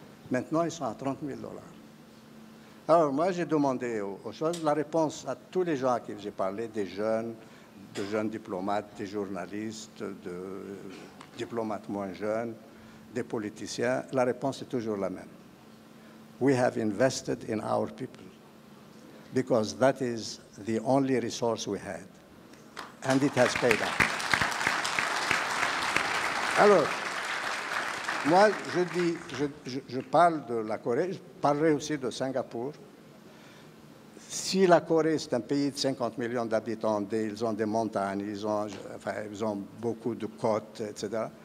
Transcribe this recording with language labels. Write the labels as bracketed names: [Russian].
[French] Maintenant, ils sont à 30 000 dollars. Alors, moi, j'ai demandé aux choses. La réponse à tous les gens à qui j'ai parlé, des jeunes, de jeunes diplomates, des journalistes, de diplomates moins jeunes, des politiciens, la réponse est toujours la même. [English] We have invested in our people because that is the only resource we had. And it has paid off. [French] Alors, moi, je parle de la Corée, je parlerai aussi de Singapour. Si la Corée, c'est un pays de 50 millions d'habitants, ils ont des montagnes, ils ont beaucoup de côtes, etc.